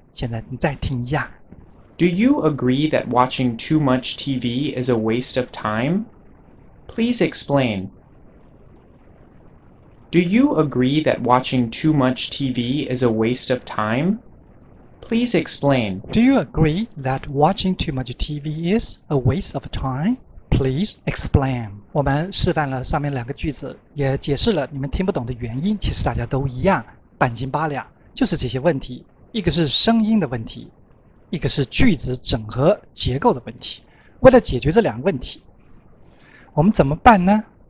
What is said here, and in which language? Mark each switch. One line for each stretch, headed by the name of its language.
Chinese: 现在你再听一下。
English: Do you agree that watching too much TV is a waste of time? Please explain. Do you agree that watching too much TV is a waste of time? Please explain. Do you agree that watching too much TV is a waste of time? Please explain.
Chinese: 我们示范了上面两个句子，也解释了你们听不懂的原因，其实大家都一样，半斤八两，就是这些问题。一个是声音的问题，一个是句子整合结构的问题。为了解决这两个问题，我们怎么办呢？